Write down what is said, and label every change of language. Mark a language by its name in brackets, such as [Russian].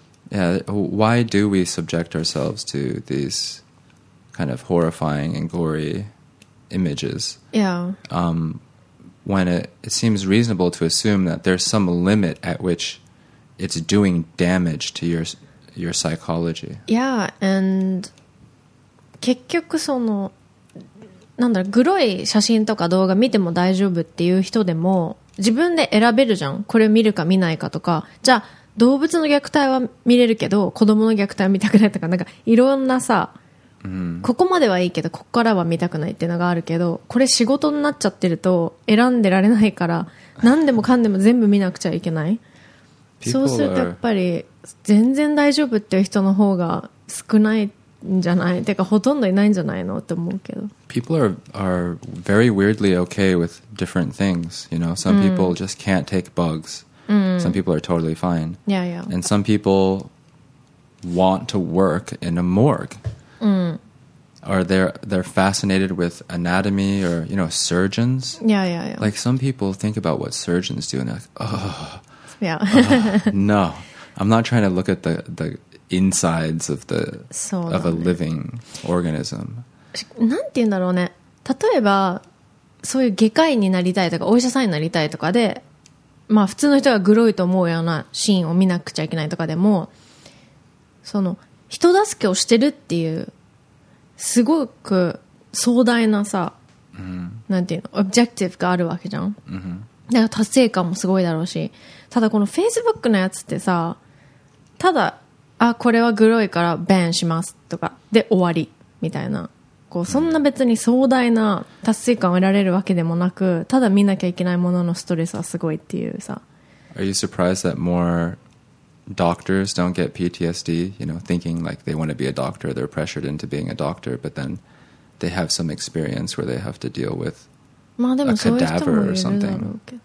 [English] Yeah, why do we subject ourselves to these kind of horrifying and gory images? Yeah. When it seems reasonable to assume that there's some limit at which it's doing damage to your psychology. Yeah, and [Japanese] 結局そのなんだろう、グロい写真とか動画見ても大丈夫っていう人でも自分で選べるじゃん。これを見るか見ないかとか。じゃあ動物の虐待は見れるけど子供の虐待は見たくないとかなんかいろんなさ、うん、ここまではいいけどここからは見たくないっていうのがあるけどこれ仕事になっちゃってると選んでられないから何でもかんでも全部見なくちゃいけないそうするとやっぱり全然大丈夫っていう人の方が少ないんじゃないてかほとんどいないんじゃないのって思うけど [English] People are very weirdly okay with different things you know some people just can't take bugs Mm. Some people are totally fine. Yeah, yeah. And some people want to work in a morgue. Mm. Or they're fascinated with anatomy or, you know, surgeons. Yeah, yeah, yeah. Like some people think about what surgeons do and they're like, oh, yeah. no. I'm not trying to look at the insides of the of a living organism. [Japanese] なんて言うんだろうね。例えば、そういう外科医になりたいとか、お医者さんになりたいとかで、まあ、普通の人がグロいと思うようなシーンを見なくちゃいけないとかでもその人助けをしてるっていうすごく壮大なさ、 mm-hmm. なんていうのオブジェクティブがあるわけじゃん、 mm-hmm. だから達成感もすごいだろうしただこの Facebook のやつってさただあこれはグロいからバンしますとかで終わりみたいなこうそんな別に壮大な達成感を得られるわけでもなくただ見なきゃいけないもののストレスはすごいっていうさ [English] Are you surprised that more doctors don't get PTSD? You know, thinking like they want to be a doctor they're pressured into being a doctor but then they have some experience where they have to deal with [Japanese] まあでもそういう人もいるだろうけど